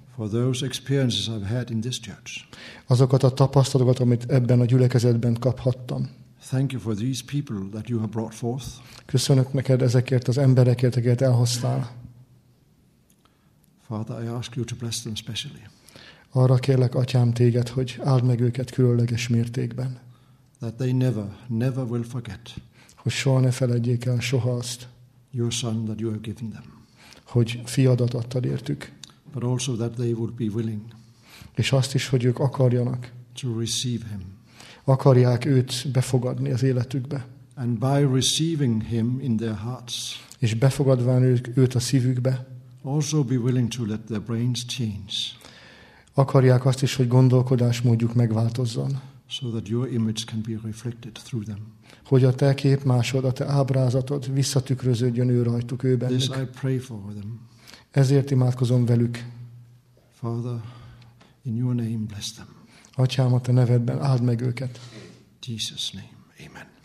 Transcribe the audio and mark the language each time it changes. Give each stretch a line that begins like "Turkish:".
English: For those experiences I've had in this church.
Hungarian: Azokat a tapasztalatokat, amit ebben a gyülekezetben kaphattam.
English: Thank you for these people that you have brought forth.
Hungarian: Köszönök neked ezekért az emberekért, akiket elhoztál.
English: Father, I ask you to bless them specially.
Hungarian: Arra kérlek atyám téged, hogy áld meg őket különleges mértékben.
English: That they never will forget.
Hungarian: Hogy soha ne feledjék el soha azt,
English: your son that you have given them.
Hungarian: Hogy fiadat adtad értük.
English: But also that they would be willing.
Hungarian: És azt is, hogy ők akarjanak.
English: To receive him.
Hungarian: Akarják őt befogadni az életükbe.
English: And by receiving him in their hearts.
Hungarian: És befogadván őt a szívükbe.
English: Also be willing to let their brains change.
Hungarian: Akarják azt is, hogy gondolkodásmódjuk megváltozzon.
English: So that your image can be reflected through them.
Hungarian: Hogy a te képmásod, a te ábrázatod visszatükröződjön ő rajtuk, ő bennük.
English: This I pray for them.
Hungarian: Ezért imádkozom velük.
English: Father, in your name bless them.
Hungarian: Atyám, a te nevedben áld meg őket.
English: Jesus name. Amen.